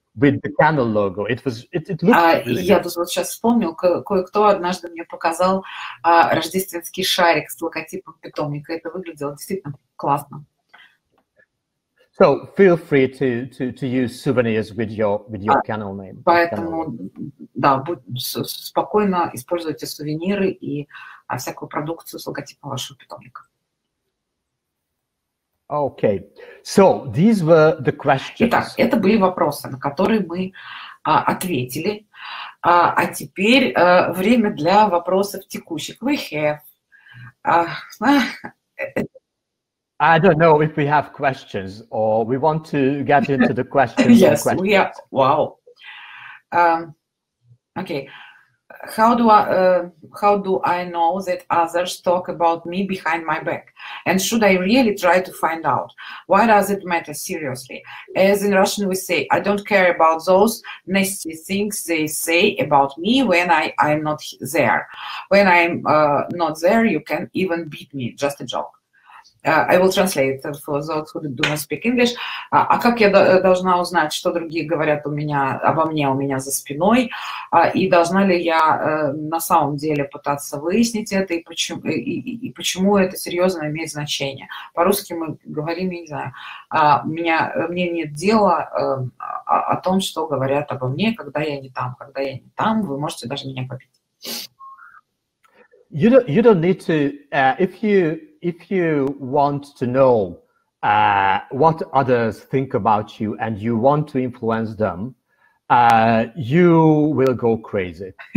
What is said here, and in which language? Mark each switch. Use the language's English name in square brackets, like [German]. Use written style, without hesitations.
[English] With the kennel logo, it looked really good. [Russian] Я тут вот сейчас вспомнил, кое-кто однажды мне показал рождественский шарик с логотипом питомника. Это выглядело действительно классно. [English] So feel free to use souvenirs with your kennel name. [Russian] Поэтому да, спокойно используйте сувениры и всякую продукцию с логотипом вашего питомника. [English] Okay, so these were the questions. [Russian] Итак, это были вопросы, на которые мы ответили. А теперь время для вопросов текущих. [English] We have. I don't know if we have questions or we want to get into the questions. Yes, questions. We are. Wow. Okay. How do I know that others talk about me behind my back? And should I really try to find out? Why does it matter seriously? As in Russian we say, I don't care about those nasty things they say about me when I'm not there. When I'm not there, you can even beat me. Just a joke. I will translate for those who do not speak English. [Russian] А как я должна узнать, что другие говорят у меня, обо мне у меня за спиной? И должна ли я на самом деле пытаться выяснить это, и почему это серьезно имеет значение? По-русски мы говорим, я не знаю, мне нет дела о том, что говорят обо мне, когда я не там. Когда я не там, вы можете даже меня попить. [English] You don't need to, if you want to know what others think about you and you want to influence them, you will go crazy.